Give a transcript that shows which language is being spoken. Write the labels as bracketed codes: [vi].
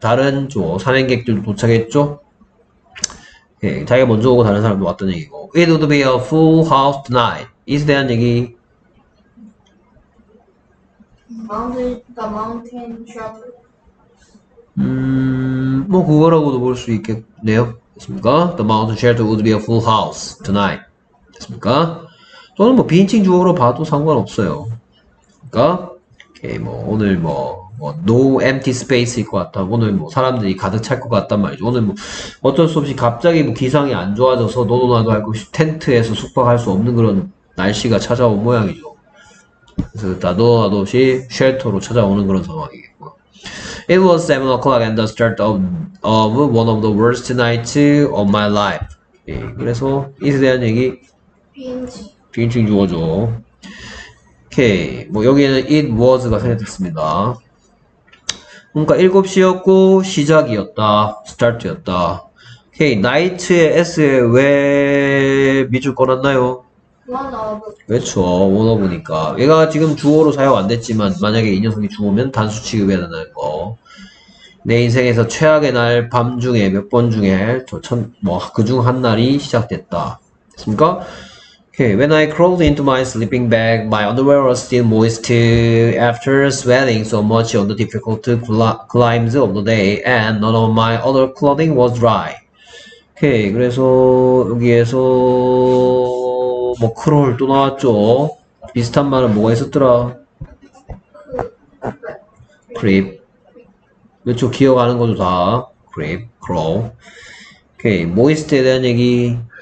[ko] 다른 쪽 산행객들도 도착했죠. 예, 자기가 먼저 오고 다른 사람도 왔다는 얘기고. [en] It would be a full house tonight. [ko] 이에 대한 얘기. 마운틴, 더 마운틴 트러블. 뭐 그거라고도 볼수 있겠네요. 됐습니까? [en] The mountain shelter would be a full house tonight. [ko] 됐습니까? 또는 뭐 비인칭 주어로 봐도 상관없어요. 그러니까 오케이, 뭐 오늘 뭐 [en] no empty space [ko] 일 것 같다. 오늘 뭐 사람들이 가득 찰것 같단 말이죠. 오늘 뭐 어쩔 수 없이 갑자기 뭐 기상이 안 좋아져서 너도나도 할것 없이 텐트에서 숙박할 수 없는 그런 날씨가 찾아온 모양이죠. 그래서 나도나도 없이 쉘터로 찾아오는 그런 상황이에요. [en] It was 7 o'clock and the start of one of the worst nights of my life. [ko] 예, 그래서 이에 대한 얘기 비인칭 비인칭 주어죠. 오케이. 뭐 여기에는 [en] it was [ko] 가 생략됐습니다. 그러니까 7시였고 시작이었다. start였다. 오케이. night의 s에 왜 밑줄 꺼놨나요? 그렇죠. 원어보니까 얘가 지금 주어로 사용 안 됐지만 만약에 이 녀석이 주어면 단수 취급해야 되는 거. 내 인생에서 최악의 날밤 중에 몇번 중에 저천뭐그중한 날이 시작됐다. 됐습니까? Okay. [en] When I crawled into my sleeping bag, my underwear was still moist after sweating so much on the difficult climbs of the day, and none of my other clothing was dry. Okay. [ko] 그래서 여기에서 뭐 크롤 또 나왔죠. 비슷한 말은 뭐가 있었더라? 크립. 그쵸, 기억하는 것도 다. 크립, 크롤. 오케이, 모이스트에 대한 얘기.